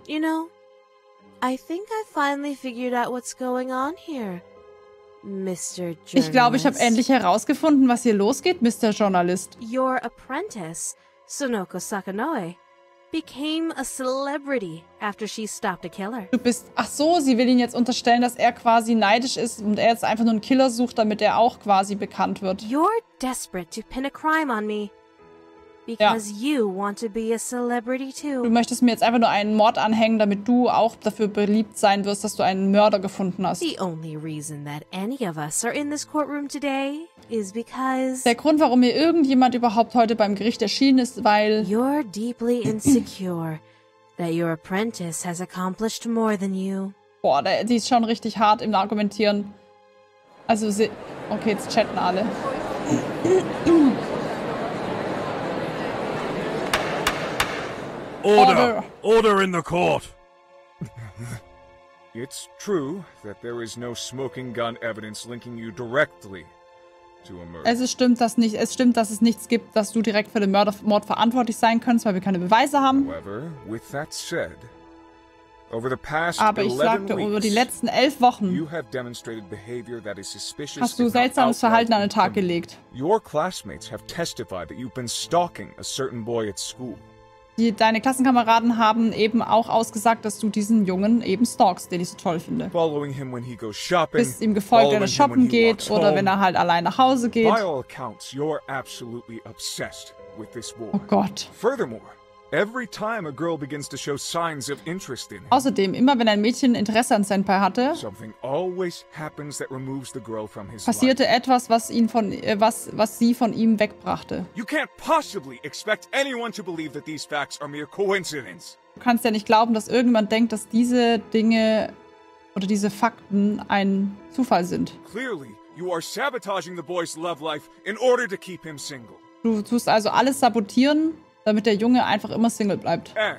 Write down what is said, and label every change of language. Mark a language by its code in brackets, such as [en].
[en] You know, I think I finally figured out what's going on here, Mr. Journalist. [de] Ich glaube, ich habe endlich herausgefunden, was hier losgeht, Mr. Journalist. [en] Your apprentice, Sonoko Sakanoe, became a celebrity after she stopped a killer. [de] Du bist, ach so, sie will ihn jetzt unterstellen, dass er quasi neidisch ist und er jetzt einfach nur einen Killer sucht, damit er auch quasi bekannt wird. [en] You're desperate to pin a crime on me. because you want to be a celebrity too. [de] Du möchtest mir jetzt einfach nur einen Mord anhängen, damit du auch dafür beliebt sein wirst, dass du einen Mörder gefunden hast. [en] The only reason that any of us are in this courtroom today is because [de] der Grund, warum mir irgendjemand überhaupt heute beim Gericht erschienen ist, weil [en] you're deeply insecure that your apprentice has accomplished more than you. [de] Boah, die ist schon richtig hart im Argumentieren. Also, sie... Okay, jetzt chatten alle. [en] Order! Order in the court! It's true that there is no smoking gun evidence linking you directly to a murder. [de] Es stimmt, dass es nichts gibt, dass du direkt für den Mord verantwortlich sein könntest, weil wir keine Beweise haben. [en] However, with that said, over the past [de] aber ich sagte, über die letzten 11 Wochen [en] you have demonstrated behavior that is suspicious [de] hast du seltsames Verhalten an den Tag gelegt. [en] Your classmates have testified that you've been stalking a certain boy at school. [de] Deine Klassenkameraden haben eben auch ausgesagt, dass du diesen Jungen eben stalkst, den ich so toll finde. [en] Following him when he goes shopping, [de] bist ihm gefolgt, wenn er shoppen geht oder wenn er halt allein nach Hause geht. [en] By all accounts, you're absolutely obsessed with this boy. [de] Oh Gott. [en] Furthermore, every time a girl begins to show signs of interest in him, [de] außerdem, immer wenn ein Mädchen Interesse an Senpai hatte, [en] something always happens that removes the girl from his [de] passierte [en] life. [de] Etwas, was ihn von was sie von ihm wegbrachte. [en] You can't possibly expect anyone to believe that these facts are mere coincidence. [de] Du kannst ja nicht glauben, dass irgendjemand denkt, dass diese Dinge oder diese Fakten ein Zufall sind. [en] Clearly, you are sabotaging the boy's love life in order to keep him single. [de] Du tust also alles sabotieren, damit der Junge einfach immer Single bleibt.